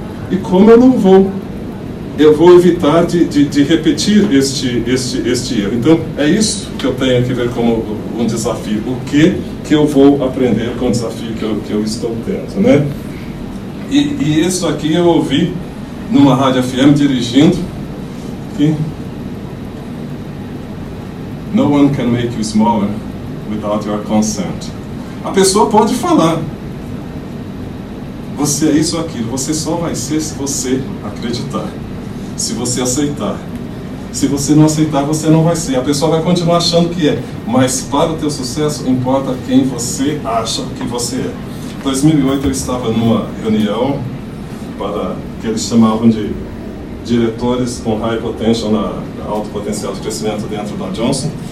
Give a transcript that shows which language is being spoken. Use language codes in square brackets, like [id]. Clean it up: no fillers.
[pt] E como eu não vou? Eu vou evitar de repetir este erro. Então, é isso que eu tenho que ver como um desafio. O que eu vou aprender com o desafio que eu estou tendo, né? E isso aqui eu ouvi numa rádio FM dirigindo. [en] Que no one can make you smaller without your consent. [pt] A pessoa pode falar. Você é isso ou aquilo. Você só vai ser se você acreditar. Se você aceitar. Se você não aceitar, você não vai ser. A pessoa vai continuar achando que é. Mas para o teu sucesso, importa quem você acha que você é. Em 2008, eu estava numa reunião para que eles chamavam de diretores com high potential, na alto potencial de crescimento dentro da Johnson.